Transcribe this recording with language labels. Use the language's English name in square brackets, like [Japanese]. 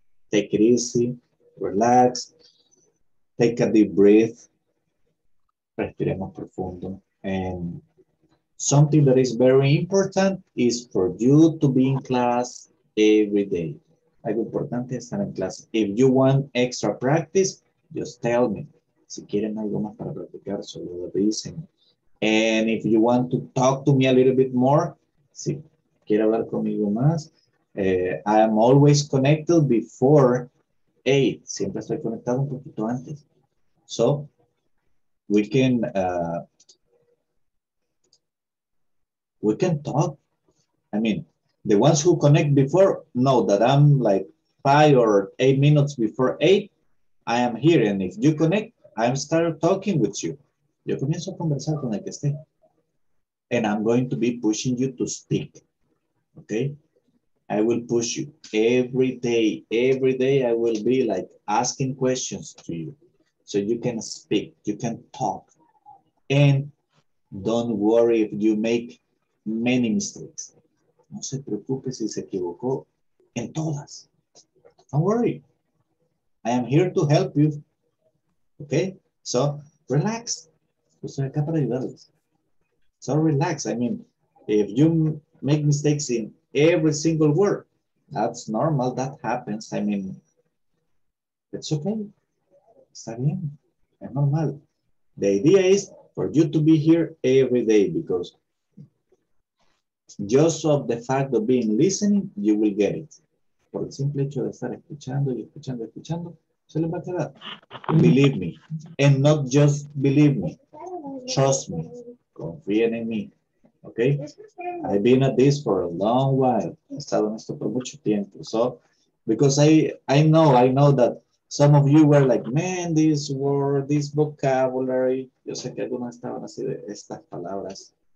[English] Take it easy, relax, take a deep breath, [Spanish] respiremos profundo. [English] And something that is very important is for you to be in class every day. [Spanish] Algo importante es estar en clase. [English] If you want extra practice, just tell me. [Spanish] Si quieren algo más para practicar, solo lo dicen. [English] And if you want to talk to me a little bit more, [Spanish] si quiere hablar conmigo más, [English] I am always connected before 8. [Spanish] Siempre estoy conectado un poquito antes. [English] So, we can talk. I mean, the ones who connect before know that I'm like 5 or 8 minutes before 8. I am here, and if you connect, I'm start talking with you. [Spanish] Yo comienzo a conversar con el que esté. [English] And I'm going to be pushing you to speak, okay? I will push you every day I will be like asking questions to you so you can speak, you can talk. And don't worry if you make many mistakes. [Spanish] No se preocupe si se equivocó en todas. [English] Don't worry. I am here to help you. Okay? So, relax. [Spanish] Estoy acá para ayudarles. [English] So relax. I mean, if you make mistakes in every single word, that's normal. That happens. I mean, it's okay. [Spanish] Está bien. Es normal. [English] The idea is for you to be here every day, because just of the fact of being listening, you will get it. [Spanish] Por el simple hecho de estar escuchando y escuchando, escuchando, se le va a quedar. [English] Believe me. And not just believe me. Trust me. [Spanish] Confíen en mí. [English] Okay? I've been at this for a long while. [Spanish] He estado en esto por mucho tiempo. [English] So, because I know that some of you were like, man, this word, this vocabulary. [Spanish] Yo sé que algunos estaban así de estas palabras.